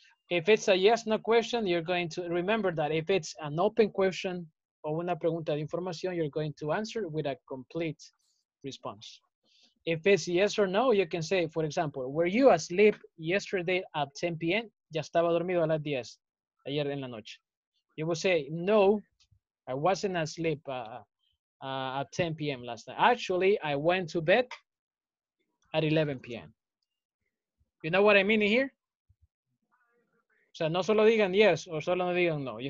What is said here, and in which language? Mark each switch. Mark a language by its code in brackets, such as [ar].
[en] If it's a yes, no question, you're going to remember that. If it's an open question or [es] una pregunta de información, [en] you're going to answer with a complete response. If it's yes or no, you can say, for example, were you asleep yesterday at 10 p.m.? [es] Ya estaba dormido a las 10, ayer en la noche. [en] You will say, no, I wasn't asleep at 10 p.m. last night. Actually, I went to bed at 11 p.m. You know what I mean here? [es] O sea, no solo digan [en] yes or [es] solo no digan no.